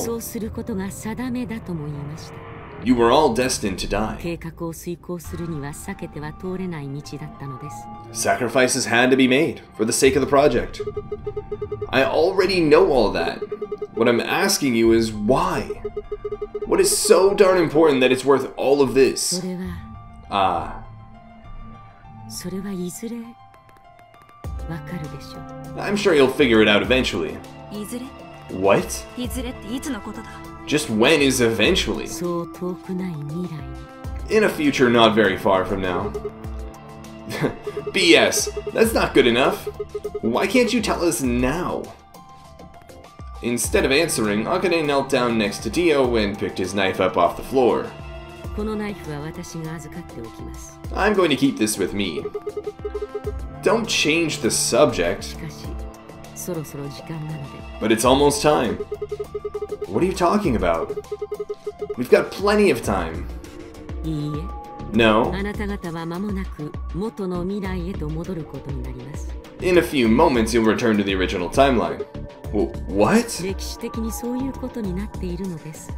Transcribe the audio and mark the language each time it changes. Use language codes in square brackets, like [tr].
[ja] そうすることが定めだとも言いました。 [en] You were all destined to die. [ja] 計画を遂行するには避けては通れない道だったのです。 [en] Sacrifices had to be made for the sake of the project. I already know all that. What I'm asking you is why? What is so darn important that it's worth all of this? [ja] それは、それはいずれわかるでしょう。 [en] I'm sure you'll figure it out eventually. [ja] いずれ？ [en] What? [ja] いずれっていつのことだ? [en] Just when is eventually? [ja] そう遠くない未来。 [en] In a future not very far from now. BS! That's not good enough! Why can't you tell us now? Instead of answering, Akane knelt down next to Dio and picked his knife up off the floor. [ja] このナイフは私が預かっておきます。 [en] I'm going to keep this with me. Don't change the subject. [ja] しかし、そろそろ時間なので。 [en] But it's almost time. What are you talking about? We've got plenty of time. [ja] いいえ。 [en] No. [ja] あなた方は間もなく元の未来へと戻ることになります。 [en] In a few moments, you'll return to the original timeline. What? [ja] 歴史的にそういうことになっているのです。